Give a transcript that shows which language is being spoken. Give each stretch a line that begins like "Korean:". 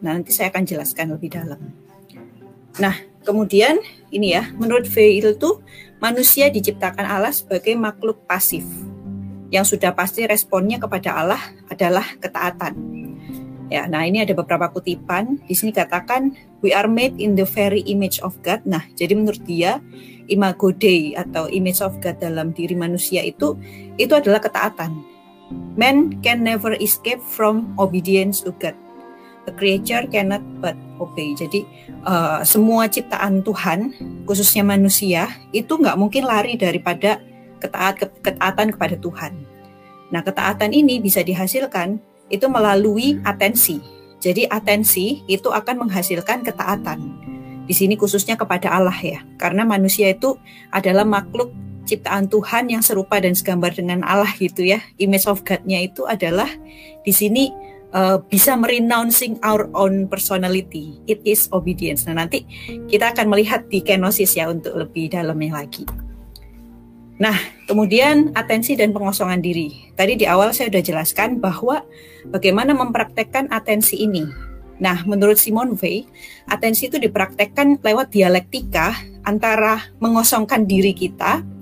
Indonesian: Nah, nanti saya akan jelaskan lebih dalam. Nah, kemudian ini ya, menurut Weil itu manusia diciptakan Allah sebagai makhluk pasif yang sudah pasti responnya kepada Allah adalah ketaatan. Ya, nah ini ada beberapa kutipan di sini katakan
English: we are made in the very image of God.
Indonesian: Nah, jadi menurut dia imago Dei atau image of God dalam diri manusia itu adalah ketaatan.
English: Man can never escape from obedience to God. The creature cannot but obey.
Indonesian: Jadi semua ciptaan Tuhan, khususnya manusia, itu nggak mungkin lari daripada ketaatan kepada Tuhan. Nah, ketaatan ini bisa dihasilkan itu melalui atensi. Jadi atensi itu akan menghasilkan ketaatan. Di sini khususnya kepada Allah ya, karena manusia itu adalah makhluk ciptaan Tuhan yang serupa dan segambar dengan Allah gitu ya. Image of God-nya itu adalah di sini. Bisa
English: merenouncing our own personality. It is obedience.
Indonesian: Nah, nanti kita akan melihat di kenosis ya, untuk lebih dalamnya lagi. Nah, kemudian atensi dan pengosongan diri. Tadi di awal saya sudah jelaskan bahwa bagaimana mempraktekkan atensi ini. Nah, menurut Simone Weil, atensi itu dipraktekkan lewat dialektika antara mengosongkan diri kita.